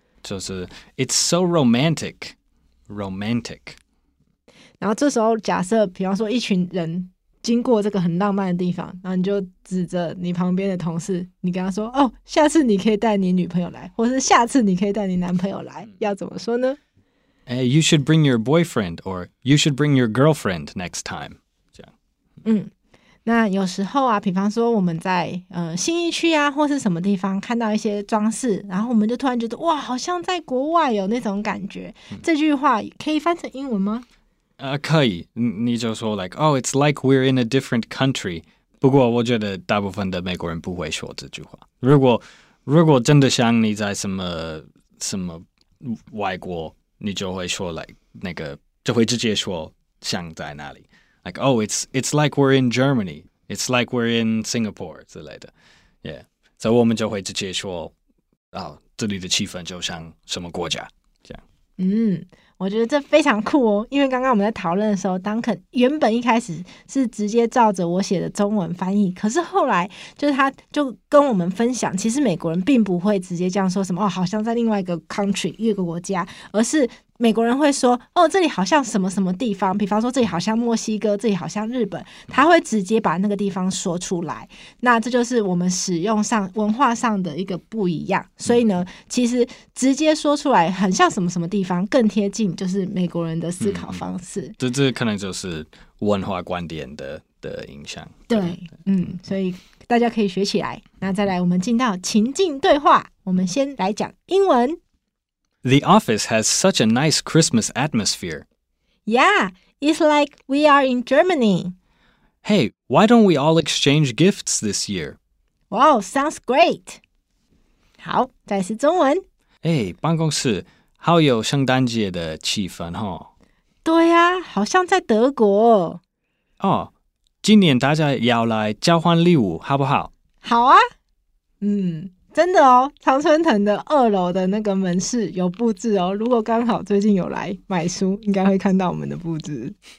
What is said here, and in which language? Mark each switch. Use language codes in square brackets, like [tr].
[zh] 就是 [en] it's so romantic， romantic。 [zh] 然后这时候假设比方说一群人经过这个很浪漫的地方，然后你就指着你旁边的同事，你跟他说，哦，下次你可以带你女朋友来，或是下次你可以带你男朋友来，要怎么说呢？ [en] Hey, you should bring your boyfriend or you should bring your girlfriend next time. [zh] 这样。那有时候啊，比方说我们在新一区啊或是什么地方看到一些装饰，然后我们就突然觉得哇，好像在国外有那种感觉。这句话可以翻成英文吗？可以，你就说 [en] like, oh, it's like we're in a different country. [zh] 不过我觉得大部分的美国人不会说这句话。如果真的像你在什么什么外国，你就会说 like, 那个就会直接说像在哪里。 [en] Like, oh, it's like we're in Germany. It's like we're in Singapore, [zh] 之类的。 [en] Yeah. [zh] So 我们就会直接说，哦，这里的气氛就像什么国家，这样。我觉得这非常酷哦，因为刚刚我们在讨论的时候，Duncan原本一开始是直接照着我写的中文翻译，可是后来就是他就跟我们分享，其实美国人并不会直接这样说什么，哦，好像在另外一个 country, 一个国家，而是美国人会说，哦，这里好像什么什么地方，比方说这里好像墨西哥，这里好像日本，他会直接把那个地方说出来。那这就是我们使用上文化上的一个不一样。所以呢，其实直接说出来很像什么什么地方，更贴近就是美国人的思考方式。这可能就是文化观点的影响。对，所以大家可以学起来。那再来，我们进到情境对话，我们先来讲英文。 [en] The office has such a nice Christmas atmosphere. Yeah, it's like we are in Germany. Hey, why don't we all exchange gifts this year? Wow, sounds great. [zh] 好，再是中文。 Hey, 办公室好有圣诞节的气氛哦。对啊，好像在德国。哦，今年大家要来交换礼物，好不好？好啊。真的哦，常春藤的二楼的那个门市有布置哦，如果刚好最近有来买书，应该会看到我们的布置。